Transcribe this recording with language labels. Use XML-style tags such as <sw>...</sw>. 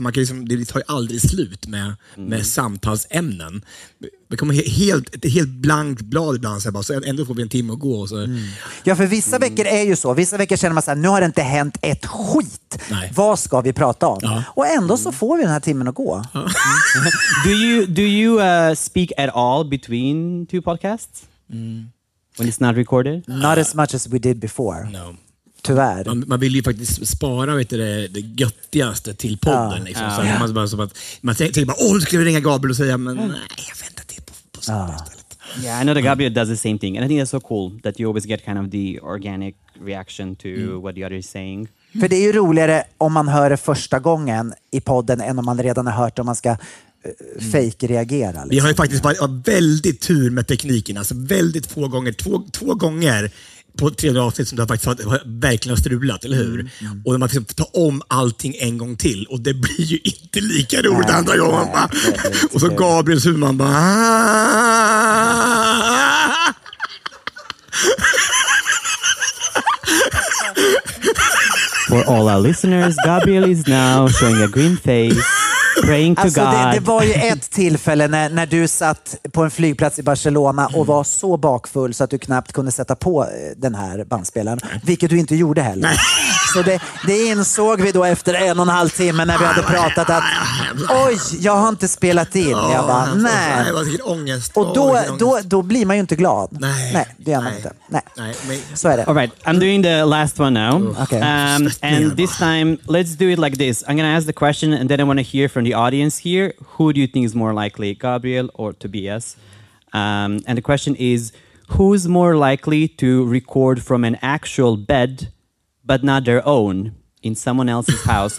<sv>Man kan liksom, det tar ju aldrig slut med samtalsämnen. Det kommer helt blankt blad ibland. Så här, bara, så ändå får vi en timme att gå. Så. Mm. Ja, för vissa veckor är ju så. Vissa veckor känner man så här, nu har det inte hänt ett skit. Nej. Vad ska vi prata om? Ja. Och ändå så får vi den här timmen att gå. Ja.</sv> <en>Do you speak at all between two podcasts? Mm. When it's not recorded? Not as much as we did before. No.</en> <sv>Tyvärr. Man vill ju faktiskt spara det göttigaste till podden. Liksom. Så man bara, så att man tänker bara, åh, nu ska vi ringa Gabriel och säga, men nej, jag väntar till på stället.</sv> <en>Yeah, I know that Gabriel does the same thing. And I think that's so cool that you always get kind of the organic reaction to what the other is saying.</en> <sv>För det är ju roligare om man hör det första gången i podden än om man redan har hört det, om man ska fake reagera. Liksom. Vi har ju faktiskt bara väldigt tur med tekniken. Alltså väldigt få gånger, två gånger på 300 avsnitt som du har faktiskt verkligen strulat, eller hur? Mm. Och när man får ta om allting en gång till och det blir ju inte lika roligt andra gången. Nej, och så Gabriels huvud, man bara... Aaah!</sv> <en>for all our listeners, Gabriel is now showing a grim face, praying to God.</en> <sv>Det var ju ett tillfälle när du satt på en flygplats i Barcelona och var så bakfull så att du knappt kunde sätta på den här bandspelaren, vilket du inte gjorde heller. Så det insåg vi då efter en och en halv timme när vi hade pratat att oj, jag har inte spelat in. Jag bara, nej. Och då blir man ju inte glad. Nej, det är man inte. Nej, så är det.</sv> <en>All right, I'm doing the last one now. Okay. And this time, let's do it like this. I'm gonna ask the question and then I wanna hear from the audience here, who do you think is more likely, Gabriel or Tobias? And the question is, who's more likely to record from an actual bed, but not their own, in someone else's house?</en>